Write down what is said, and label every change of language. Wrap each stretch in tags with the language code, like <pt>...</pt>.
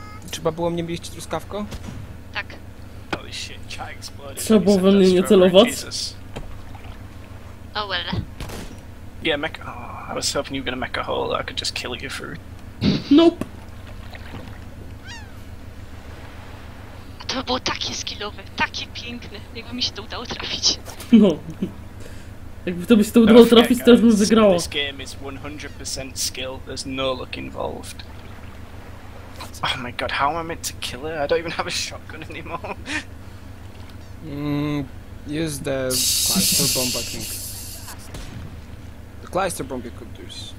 <pl>Trzeba było mnie bić truskawko? Tak.</pl> <en>Holy shit, chai exploded.</en> <pl>Trzeba było we mnie nie celować.</pl> <en>Oh well. Yeah, mech. Oh, I was hoping you were gonna mech a hole that I could just kill you through. Nope.</en> <pl>To było takie skillowe. Takie piękne, jakby mi się to udało trafić.</pl> <en>No.</en> <pl>Jakby to by się to udało trafić, to bym wygrała.</pl> <en>This game is 100% skill, there's no luck involved. Oh my god, how am I meant to kill her? I don't even have a shotgun anymore. Use the cluster bomb, I think. The cluster bomb you could use.</en>